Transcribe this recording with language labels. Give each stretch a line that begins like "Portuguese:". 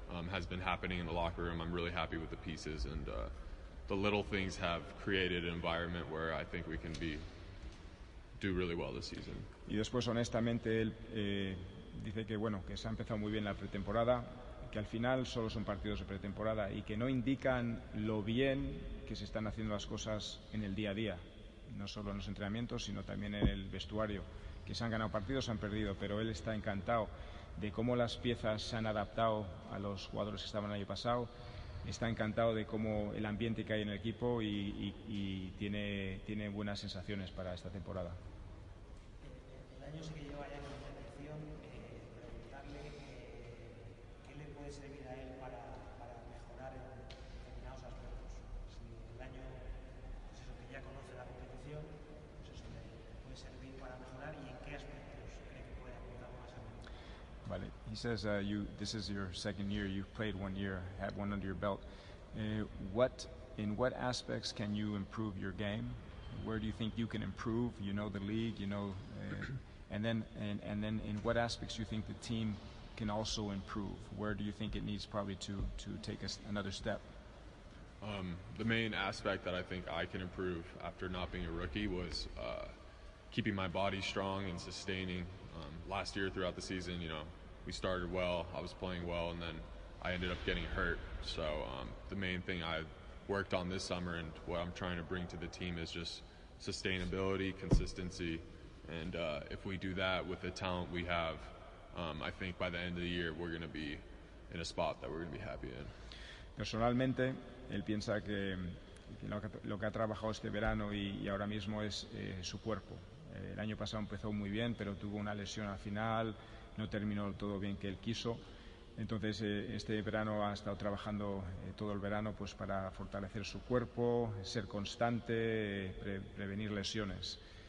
English: has been happening in the locker room. I'm really happy with the pieces, and the little things have created an environment where I think we can be do really well this season.
Spanish: Y después, honestamente, él dice que bueno, que se ha empezado muy bien la pretemporada, que al final solo son partidos de pretemporada y que no indican lo bien que se están haciendo las cosas en el día a día, no solo en los entrenamientos, sino también en el vestuario. Que se han ganado partidos, se han perdido, pero él está encantado de cómo las piezas se han adaptado a los jugadores que estaban el año pasado, está encantado de cómo el ambiente que hay en el equipo y tiene buenas sensaciones para esta temporada. El año sí que lleva ya con la selección, preguntarle qué le puede servir a él para mejorar en determinados aspectos. Si el año, pues eso, que ya conoce la competición, pues eso le puede servir para mejorar y en qué aspectos cree que puede aportar más a él. Vale.
English: He says, this is your second year. You've played 1 year, had one under your belt. In what aspects can you improve your game? Where do you think you can improve? You know the league, you know, and then in what aspects do you think the team can also improve? Where do you think it needs probably to take another step? The main aspect that I think I can improve after not being a rookie was keeping my body strong and sustaining. Last year throughout the season, you know, we started well, I was playing well, and then I ended up getting hurt. So the main thing I worked on this summer and what I'm trying to bring to the team is just sustainability, consistency. And if we do that with the talent we have, I think by the end of the year, we're going to be in a spot that we're going to be happy in.
Spanish: Personalmente, él piensa que lo que ha trabajado este verano y ahora mismo es su cuerpo. El año pasado empezó muy bien, pero tuvo una lesión al final. No terminó todo bien que él quiso. Entonces, este verano ha estado trabajando todo el verano pues, para fortalecer su cuerpo, ser constante, prevenir lesiones.